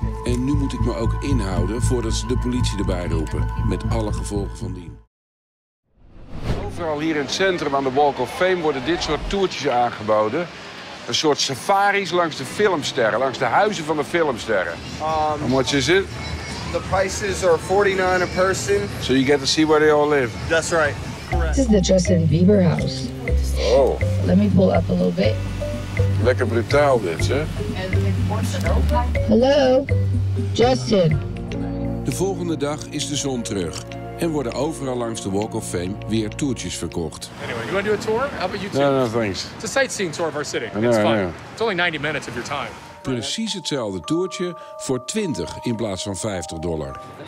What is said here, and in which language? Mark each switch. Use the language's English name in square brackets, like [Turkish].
[Dutch] En nu moet ik me ook inhouden voordat ze de politie erbij roepen. Met alle gevolgen van dien. Overal hier in het centrum aan de Walk of Fame worden dit soort toertjes aangeboden. Een soort safaris langs de filmsterren, langs de huizen van de filmsterren. [English] How much is it? The prices are $49 a person. So you get to see where they all live. That's right. This is the Justin Bieber house. Oh. Let me pull up a little bit. [Dutch] Lekker brutaal dit, hè? [English] Hello, Justin. [Dutch] De volgende dag is de zon terug. En worden overal langs de Walk of Fame weer toertjes verkocht. [English] Anyway, you want to do a tour? How about you two? No, thanks. It's a sightseeing tour of our city. It's fine. It's only 90 minutes of your time. [Dutch] Precies hetzelfde toertje voor $20 in plaats van $50.